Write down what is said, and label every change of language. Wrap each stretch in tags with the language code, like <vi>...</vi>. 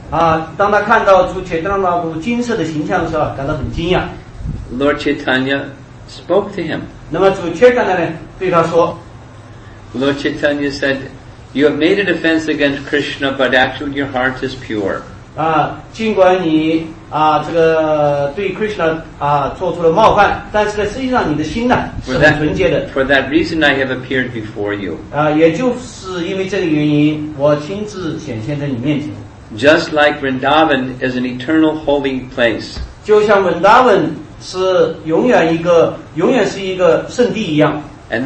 <zh>啊，当他看到主 Chaitanya Mahaprabhu 金色的形象的时候，感到很惊讶。</zh> <en>Lord Chaitanya spoke to him.</en> <zh>那么主 Chaitanya 呢对他说</zh> <en>，Lord Chaitanya said, "You have made an offense against Krishna, but actually your heart is pure."</en> <zh>啊，尽管你啊这个对 Krishna 啊做出了冒犯，但是呢，实际上你的心呢是很纯洁的。</zh> <en>For that reason, I have appeared before you.</en> <zh>啊，也就是因为这个原因，我亲自显现在你面前。</zh> <en>Just like Vrindavan is an eternal holy place.</en> <zh>就像文达文是永远是一个圣地一样。</zh> <en>And</en>